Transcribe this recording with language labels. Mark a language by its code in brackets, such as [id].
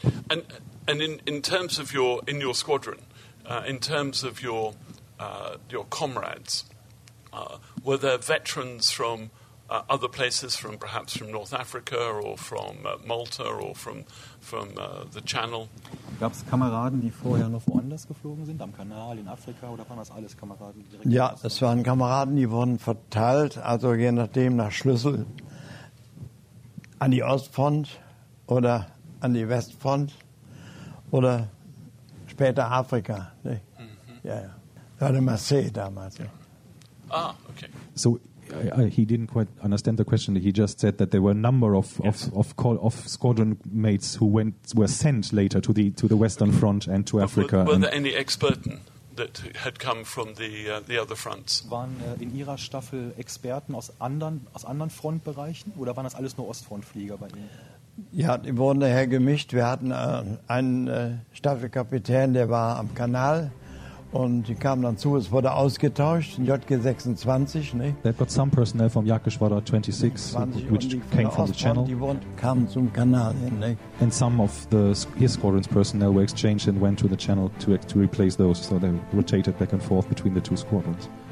[en] And in terms of your in your squadron, in terms of your comrades, were there veterans from other places, from perhaps from North Africa or from Malta or from the Channel? [de] Gab es Kameraden, die vorher noch woanders geflogen sind, am Kanal, in Afrika, oder waren das alles Kameraden? Direkt ja, es waren Kameraden, die wurden verteilt, also je nachdem nach Schlüssel, an die Ostfront oder an die Westfront oder später Afrika. Ne? Mhm. Ja. Das war der Marseille damals. Ja. Ja. Ah, okay. [en] So, he didn't quite understand the question. He just said that there were a number of squadron mates who were sent later to the Western Front and to Africa. Were there any Experten that had come from the other fronts? [de] Waren in Ihrer Staffel Experten aus anderen Frontbereichen, oder waren das alles nur Ostfrontflieger bei Ihnen? Ja, die wurden daher gemischt. Wir hatten einen Staffelkapitän, der war am Kanal. Und die kamen dann zu, es wurde ausgetauscht, ein JG-26. Ne? [en] They got some personnel from Jagdgeschwader 26, which came from the channel. [de] Die kamen zum Kanal hin. Ne? [en] And some of his squadron's personnel were exchanged and went to the channel to replace those, so they rotated back and forth between the two squadrons.